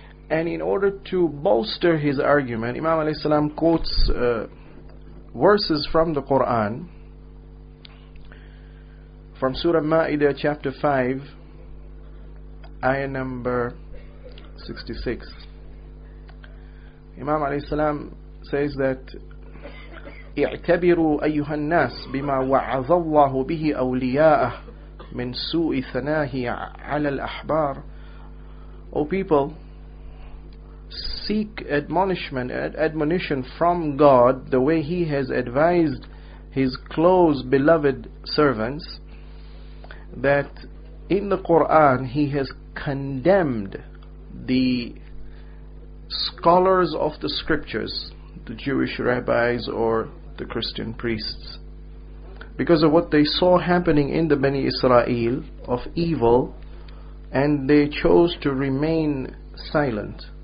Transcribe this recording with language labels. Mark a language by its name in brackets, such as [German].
[English] And in order to bolster his argument, Imam alayhi salam quotes verses from the Quran, from Surah Ma'idah chapter 5, ayah number 66. Imam alayhi salam says that [Arabic] اعتبروا أيها الناس بما وعظ الله به أولياءه من سوء ثناه على الأحبار. [English] O people, seek admonishment, admonition from God, the way He has advised His close beloved servants, that in the Quran He has condemned the scholars of the scriptures, the Jewish rabbis or the Christian priests, because of what they saw happening in the Bani Israel of evil, and they chose to remain silent.